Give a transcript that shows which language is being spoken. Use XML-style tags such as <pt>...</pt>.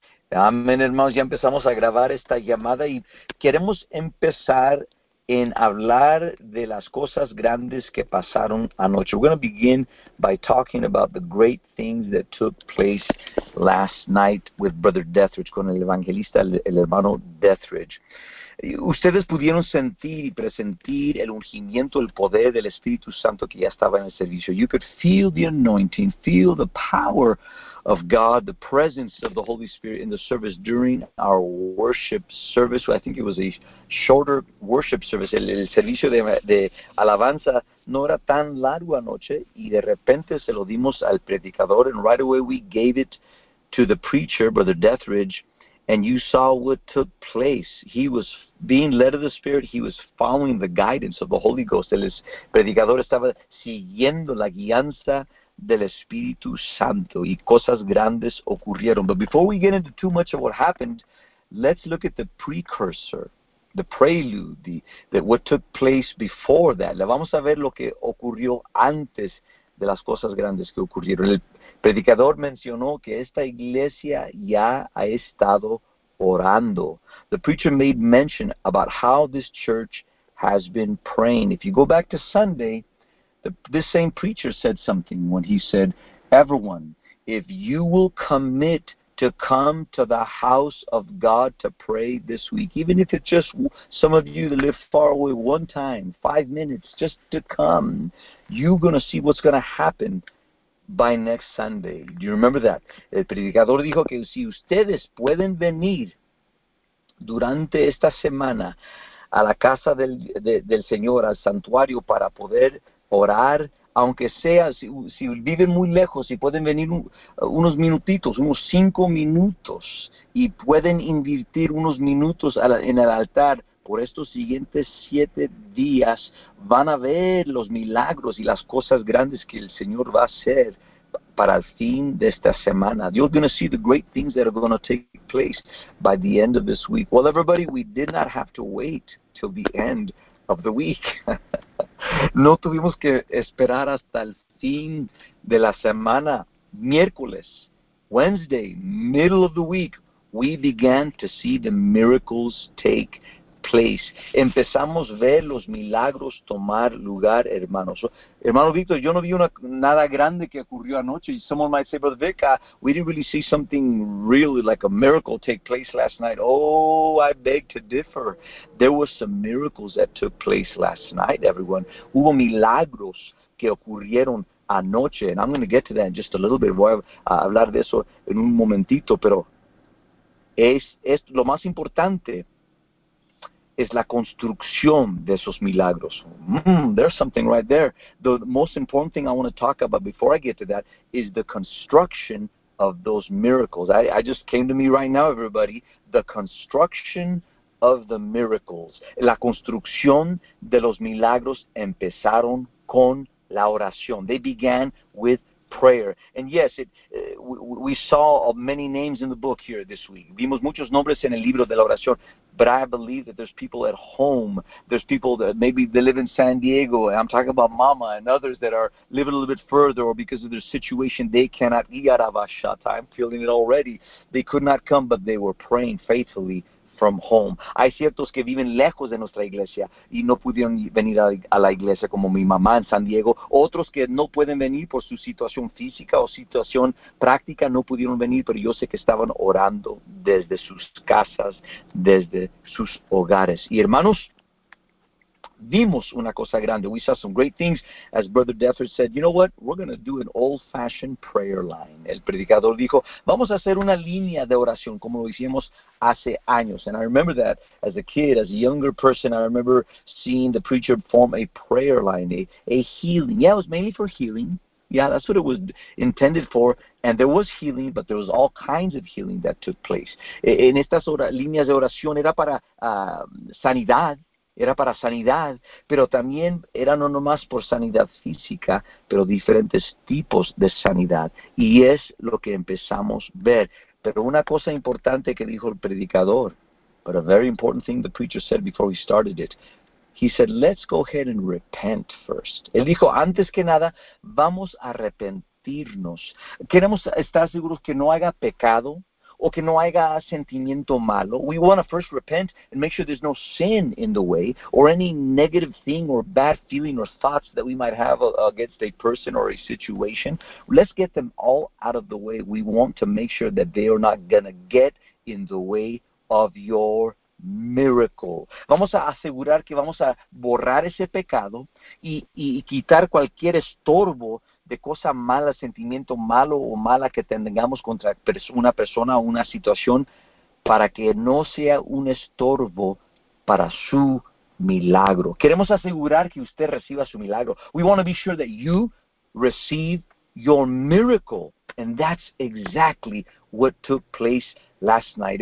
<es>Amén, hermanos. Ya empezamos a grabar esta llamada y queremos empezar en hablar de las cosas grandes que pasaron anoche.</es> <en>We're going to begin by talking about the great things that took place last night with Brother Dethridge,</en> <es>con el evangelista, el hermano Dethridge. Ustedes pudieron sentir y presentir el ungimiento, el poder del Espíritu Santo que ya estaba en el servicio.</es> <en>You could feel the anointing, feel the power of God, the presence of the Holy Spirit in the service during our worship service. I think it was a shorter worship service.</en> <es>El servicio de alabanza no era tan largo anoche y de repente se lo dimos al predicador,</es> <en>and right away we gave it to the preacher, Brother Dethridge. And you saw what took place. He was being led of the Spirit. He was following the guidance of the Holy Ghost.</en> <es>El predicador estaba siguiendo la guianza del Espíritu Santo. Y cosas grandes ocurrieron.</es> <en>But before we get into too much of what happened, let's look at the precursor, the prelude, what took place before that.</en> <es>Le vamos a ver lo que ocurrió antes de las cosas grandes que ocurrieron. El predicador mencionó que esta iglesia ya ha estado orando.</es> <en>The preacher made mention about how this church has been praying. If you go back to Sunday, this same preacher said something when he said, "Everyone, if you will commit to come to the house of God to pray this week, even if it's just some of you that live far away one time, 5 minutes, just to come, you're going to see what's going to happen by next Sunday." Do you remember that?</en> <es>El predicador dijo que si ustedes pueden venir durante esta semana a la casa del Señor, al santuario, para poder orar, aunque sea, si viven muy lejos, si pueden venir unos minutitos, unos 5 minutos, y pueden invertir unos minutos en el altar por estos siguientes 7 días, van a ver los milagros y las cosas grandes que el Señor va a hacer para el fin de esta semana.</es> <en>You're going to see the great things that are going to take place by the end of this week. Well, everybody, we did not have to wait till the end of the week.</en> <es>No tuvimos que esperar hasta el fin de la semana.</es> <en>Miércoles, Wednesday, middle of the week, we began to see the miracles take place.</en> <es>Empezamos a ver los milagros tomar lugar, hermanos. Hermano Víctor, yo no vi nada grande que ocurrió anoche.</es> <en>Someone might say, "Brother Vic, we didn't really see something really like a miracle take place last night." Oh, I beg to differ. There were some miracles that took place last night, everyone.</en> <es>Hubo milagros que ocurrieron anoche.</es> <en>And I'm going to get to that in just a little bit.</en> <es>Voy a hablar de eso en un momentito. Pero es lo más importante es la construcción de esos milagros.</es> <en>There's something right there. The most important thing I want to talk about before I get to that is the construction of those miracles. I just came to me right now, everybody. The construction of the miracles.</en> <es>La construcción de los milagros empezaron con la oración.</es> <en>They began with prayer. And yes, we saw many names in the book here this week.</en> <es>Vimos muchos nombres en el libro de la oración.</es> <en>But I believe that there's people at home. There's people that maybe they live in San Diego. And I'm talking about Mama and others that are living a little bit further, or because of their situation, they cannot. I'm feeling it already. They could not come, but they were praying faithfully from home.</en> <es>Hay ciertos que viven lejos de nuestra iglesia y no pudieron venir a la iglesia, como mi mamá en San Diego. Otros que no pueden venir por su situación física o situación práctica, no pudieron venir, pero yo sé que estaban orando desde sus casas, desde sus hogares. Y hermanos, vimos una cosa grande.</es> <en>We saw some great things. As Brother Dethridge said, "You know what? We're going to do an old-fashioned prayer line."</en> <es>El predicador dijo, "Vamos a hacer una línea de oración como lo hicimos hace años."</es> <en>And I remember that as a kid, as a younger person, I remember seeing the preacher form a prayer line, a healing. Yeah, it was mainly for healing. Yeah, that's what it was intended for. And there was healing, but there was all kinds of healing that took place.</en> <es>En estas líneas de oración era para sanidad. Era para sanidad, pero también era no nomás por sanidad física, pero diferentes tipos de sanidad. Y es lo que empezamos a ver. Pero una cosa importante que dijo el predicador,</es> <en>but a very important thing the preacher said before he started it, he said, "Let's go ahead and repent first."</en> <es>Él dijo, antes que nada, vamos a arrepentirnos. Queremos estar seguros que no haya pecado o que no haya sentimiento malo.</es> <en>We want to first repent and make sure there's no sin in the way or any negative thing or bad feeling or thoughts that we might have against a person or a situation. Let's get them all out of the way. We want to make sure that they are not going to get in the way of your miracle.</en> <es>Vamos a asegurar que vamos a borrar ese pecado y quitar cualquier estorbo de cosa mala, sentimiento malo o mala que tengamos contra una persona o una situación para que no sea un estorbo para su milagro. Queremos asegurar que usted reciba su milagro.</es> <en>We want to be sure that you receive your miracle. And that's exactly what took place last night.</en>